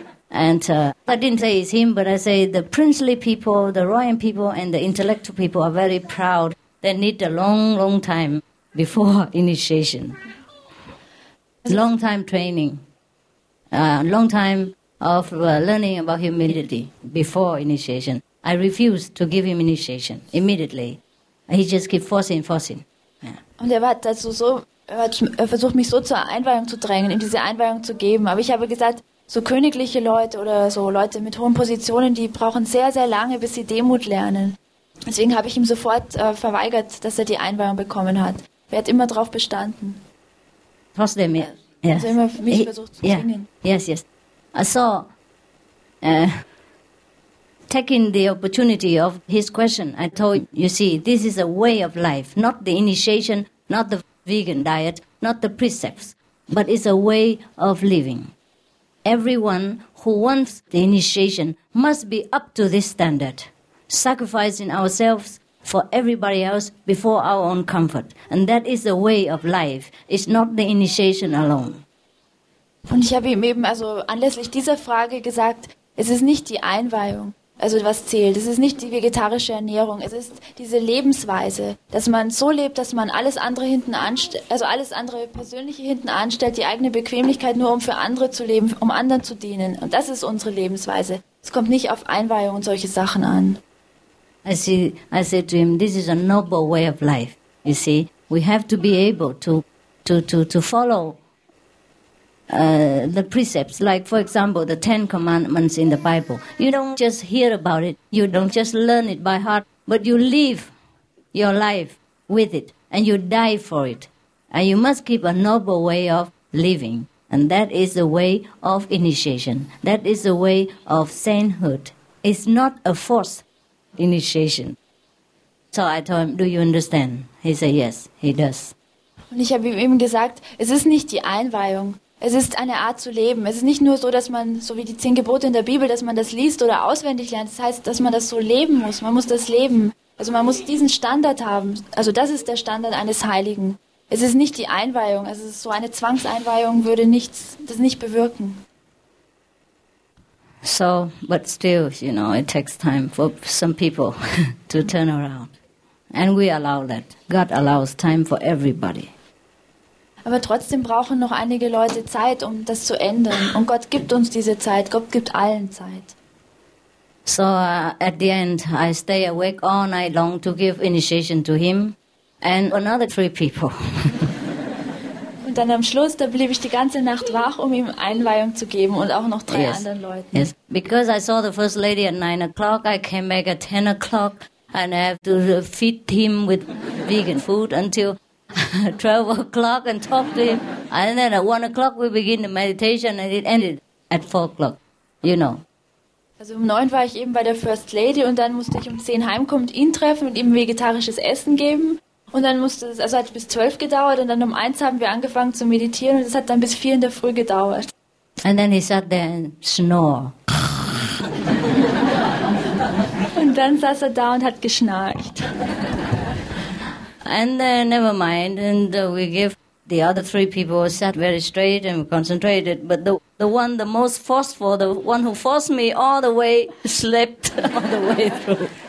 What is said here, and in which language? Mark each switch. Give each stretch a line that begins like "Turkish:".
English: And I didn't say it's him, but I say the princely people, the royal people, and the intellectual people are very proud. They need a long, long time before initiation. Long time training. Long time of learning about humility before initiation. I refused to give him initiation immediately. He just keep forcing.
German: Und er hat also so, versucht, mich so zur Einweihung zu drängen, ihm diese Einweihung zu geben. Aber ich habe gesagt, so königliche Leute oder so Leute mit hohen Positionen, die brauchen sehr, sehr lange, bis sie Demut lernen. Deswegen habe ich ihm sofort verweigert, dass er die Einweihung bekommen hat. Er hat immer darauf bestanden. Trotzdem, ja. Also immer für mich versucht zu zwingen.
English: Yes, yes. So, taking the opportunity of his question, I told you, see, this is a way of life, not the initiation, not the vegan diet, not the precepts, but it's a way of living. Everyone who wants the initiation must be up to this standard, sacrificing ourselves for everybody else before our own comfort. And that is a way of life. It's not the initiation alone.
German: Und ich habe ihm eben also anlässlich dieser Frage gesagt, es ist nicht die Einweihung, also was zählt. Es ist nicht die vegetarische Ernährung. Es ist diese Lebensweise, dass man so lebt, dass man alles andere hinten persönliche hinten anstellt, die eigene Bequemlichkeit nur um für andere zu leben, um anderen zu dienen. Und das ist unsere Lebensweise. Es kommt nicht auf Einweihung und solche Sachen an.
English: I said to him, this is a noble way of life. You see, we have to be able to follow the precepts, like for example, the Ten Commandments in the Bible. You don't just hear about it, you don't just learn it by heart, but you live your life with it, and you die for it. And you must keep a noble way of living, and that is the way of initiation. That is the way of sainthood. It's not a forced initiation. So I told him, do you understand? He said, yes, he does.
German: Und ich habe ihm eben gesagt, es ist nicht die Einweihung. Es ist eine Art zu leben. Es ist nicht nur so, dass man, so wie die 10 Gebote in der Bibel, dass man das liest oder auswendig lernt. Das heißt, dass man das so leben muss. Man muss das leben. Also man muss diesen Standard haben. Also das ist der Standard eines Heiligen. Es ist nicht die Einweihung. Es ist so eine Zwangseinweihung, würde nichts, das nicht bewirken.
English: So, but still, you know, it takes time for some people to turn around. And we allow that. God allows time for everybody.
German: Aber trotzdem brauchen noch einige Leute Zeit, um das zu ändern. Und Gott gibt uns diese Zeit. Gott gibt allen Zeit.
English: So at the end, I stay awake all night long to give initiation to him and another 3 people.
German: Und dann am Schluss, da blieb ich die ganze Nacht wach, um ihm Einweihung zu geben und auch noch 3 anderen Leuten.
English: Yes, because I saw the first lady at 9 o'clock, I came back at 10 o'clock and I have to feed him with vegan food until 12 o'clock and talk to him. And then at 1 o'clock we begin the meditation and it ended at 4 o'clock, you know.
German: Also um 9 war ich eben bei der First Lady und dann musste ich um 10 heimkommen und ihn treffen und ihm vegetarisches Essen geben. Und dann musste es, also hat bis 12 gedauert und dann um 1 haben wir angefangen zu meditieren und es hat dann bis 4 in der Früh gedauert.
English: And then he sat there and snore.
German: Und dann saß er da und hat geschnarcht.
English: And then never mind, and we give the other 3 people sat very straight and concentrated. But the one the most forceful, the one who forced me all the way, slept all the way through.